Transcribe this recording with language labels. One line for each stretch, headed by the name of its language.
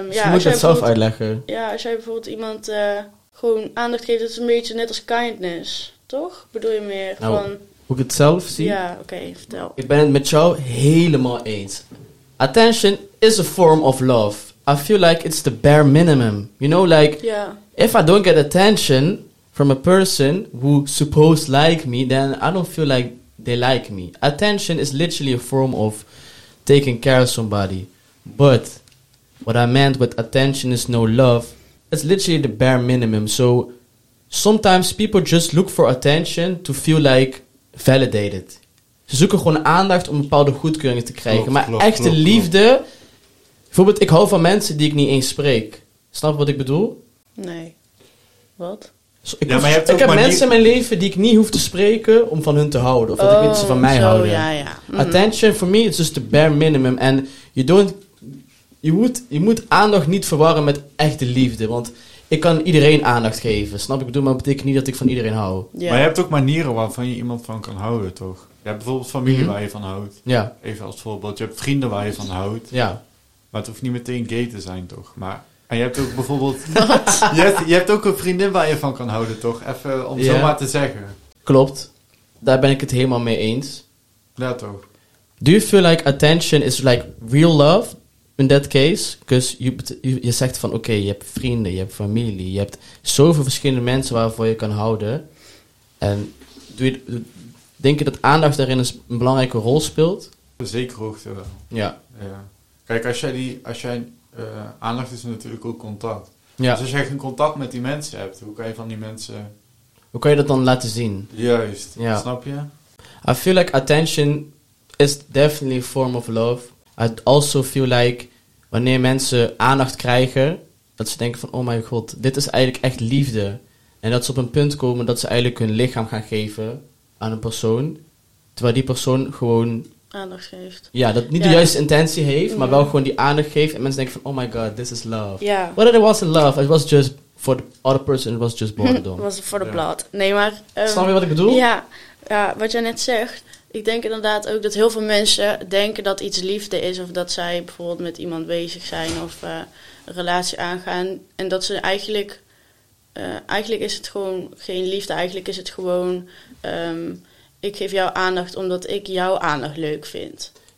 Dutch: Moet je het zelf uitleggen. Ja, als jij bijvoorbeeld iemand gewoon aandacht geeft, dat is een beetje net als kindness, toch? Bedoel je meer nou, van... Hoe ik het zelf zie? Ja, oké, vertel. Ik ben het met jou helemaal eens.
English: Attention is a form of love. I feel like it's the bare minimum. You know, like, if I don't get attention from a person who supposed like me, then I don't feel like they like me. Attention is literally a form of taking care of somebody. But what I meant with attention is no love, it's literally the bare minimum. So sometimes people just look for attention to feel like validated.
Dutch: Ze zoeken gewoon aandacht om bepaalde goedkeuringen te krijgen. Klopt, maar echte liefde... Bijvoorbeeld, ik hou van mensen die ik niet eens spreek. Snap je wat ik bedoel? Nee. Wat? Ik heb mensen in mijn leven die ik niet hoef te spreken om van hun te houden. Of dat ik mensen van mij houden. Ja, ja.
English: Attention, for me, is just the bare minimum.
Dutch: En je moet aandacht niet verwarren met echte liefde. Want ik kan iedereen aandacht geven. Snap je? Ik bedoel, maar dat betekent niet dat ik van iedereen hou. Ja. Maar je hebt ook manieren waarvan je iemand van kan houden, toch? Je hebt bijvoorbeeld familie waar je van houdt. Ja. Even als voorbeeld. Je hebt vrienden waar je van houdt. Ja. Maar het hoeft niet meteen gay te zijn, toch? Maar en je hebt ook bijvoorbeeld... je hebt ook een vriendin waar je van kan houden, toch? Even om zomaar te zeggen. Klopt. Daar ben ik het helemaal mee eens. Ja, toch.
English: Do you feel like attention is like real love in that case? Because
Dutch: je zegt van, oké, je hebt vrienden, je hebt familie, je hebt zoveel verschillende mensen waarvoor je kan houden. En denk je dat aandacht daarin een belangrijke rol speelt? Zeker hoogte wel. Ja. Ja. Kijk, aandacht is natuurlijk ook contact. Ja. Dus als jij geen contact met die mensen hebt, hoe kan je van die mensen... Hoe kan je dat dan laten zien? Juist, snap je?
English: I feel like attention is definitely a form of love. I also feel like,
Dutch: wanneer mensen aandacht krijgen, dat ze denken van, oh mijn god, dit is eigenlijk echt liefde. En dat ze op een punt komen dat ze eigenlijk hun lichaam gaan geven aan een persoon, terwijl die persoon gewoon... Aandacht geeft. Ja, dat niet de juiste intentie heeft, maar wel gewoon die aandacht geeft. En mensen denken van,
English: oh my god, this is love.
Dutch: Ja.
English: Yeah. But it wasn't love, it was just for the other person, it was just boredom. It was for the blood.
Dutch: Nee, maar... Snap je wat ik bedoel? Ja, wat jij net zegt. Ik denk inderdaad ook dat heel veel mensen denken dat iets liefde is. Of dat zij bijvoorbeeld met iemand bezig zijn of een relatie aangaan. En dat ze eigenlijk... Eigenlijk is het gewoon geen liefde. Eigenlijk is het gewoon... ik geef jou aandacht omdat ik jouw aandacht leuk vind.